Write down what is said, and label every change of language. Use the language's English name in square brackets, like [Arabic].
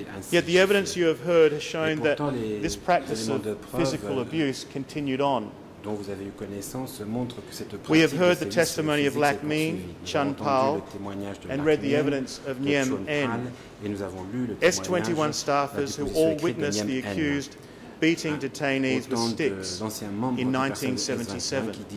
[English] Yet the evidence you have heard has shown that this practice of physical abuse continued on. [French] Dont vous avez eu connaissance montre que cette [English] we have heard the testimony of Lac Ming, Chun Pao, and read the evidence of Niem N. S21 staffers who all witnessed the accused beating detainees with sticks in 1977.